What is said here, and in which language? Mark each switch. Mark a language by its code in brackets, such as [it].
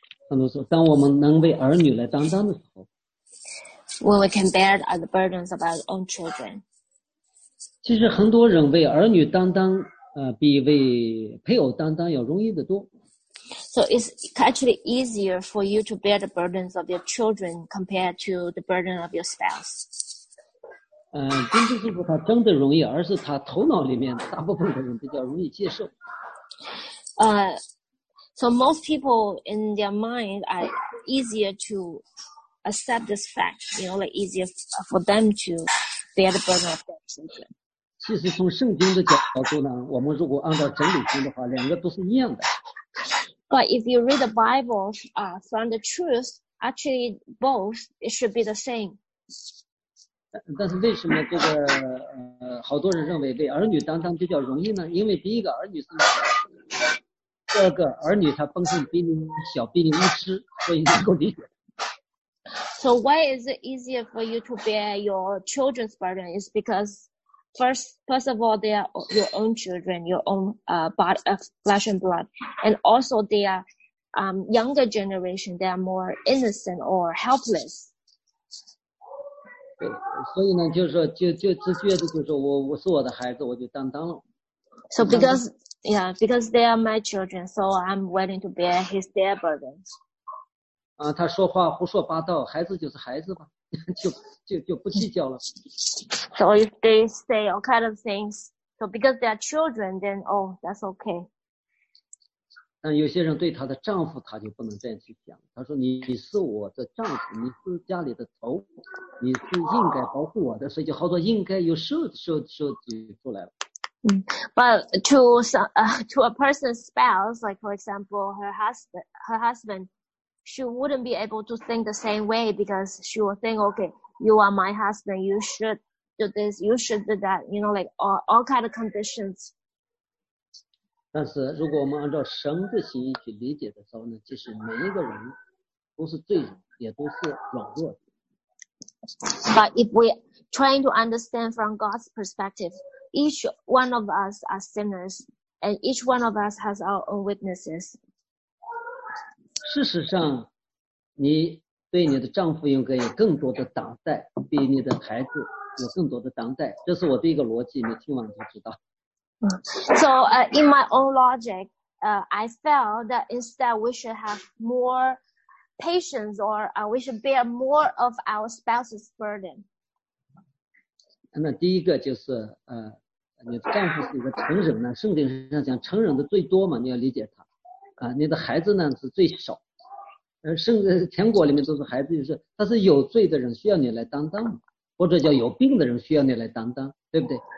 [zh] 很多时候，当我们能为儿女来担当的时候 [en] ，when we can bear the burdens of our own children. [zh] 其实很多人为儿女担当，比为配偶担当要容易得多。 [en] So it's actually easier for you to bear the burdens of your children compared to the burden of your spouse. [zh] 并不是说他真的容易，而是他头脑里面大部分的人比较容易接受。 [en] So most people in their mind are easier to accept this fact. You know, like easier for them to bear the burden of their children. [zh] 其实从圣经的角度呢，我们如果按照整理性的话，两个都是一样的。 [en] But if you read the Bible from the truth, actually both it should be the same. [zh] 但是为什么这个好多人认为为儿女担当比较容易呢？因为第一个儿女是，第二个儿女他本身比你小，比你无知，所以能够理解。 [en] So why is it easier for you to bear your children's burden? It's because First of all, they are your own children, your own flesh and blood. And also they are younger generation, they are more innocent or helpless. [zh] 对，所以呢，就是说，就直觉的就是我是我的孩子，我就担当了。 [en] So because they are my children, so I'm willing to bear their burdens. [zh] 他说话胡说八道，孩子就是孩子吧。就不计较了。 [en] So if they say all kind of things, so because they are children, then that's okay. [zh] 但有些人对她的丈夫，她就不能这样去讲。她说：“你是我的丈夫，你是家里的头，你是应该保护我的。” 所以就好多应该有设计出来了。 [en] But to a person's spouse, like for example, her husband. She wouldn't be able to think the same way because she will think, okay, you are my husband, you should do this, you should do that, you know, like all kind of conditions. [zh] 但是如果我们按照神的心意去理解的时候呢，其实每一个人都是罪人，也都是软弱的。 [en] But if we trying to understand from God's perspective, each one of us are sinners, and each one of us has our own weaknesses. [zh] 事实上，你对你的丈夫应该有更多的担待，比你的孩子有更多的担待。这是我的一个逻辑，你听完就知道。 [en] So, in my own logic, I felt that instead we should have more patience, or we should bear more of our spouse's burden. [zh] 那第一个就是你的丈夫是一个成人呢，圣经上讲成人的最多嘛，你要理解他。你的孩子呢是最少，甚至天国里面都是孩子，就是他是有罪的人需要你来担当，或者叫有病的人需要你来担当，对不对？